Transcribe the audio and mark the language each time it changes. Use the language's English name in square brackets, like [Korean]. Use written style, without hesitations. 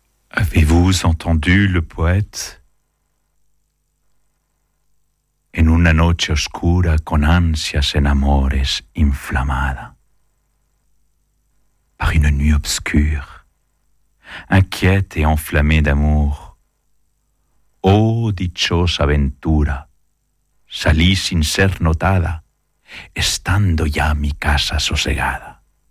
[French] avez-vous entendu le poète? [Spanish] En una noche oscura con ansias en amores inflamada. [French] Par une nuit obscure, inquiète et enflammée d'amour. [Spanish] Oh, dichosa aventura, salí sin ser notada, estando ya mi casa sosegada.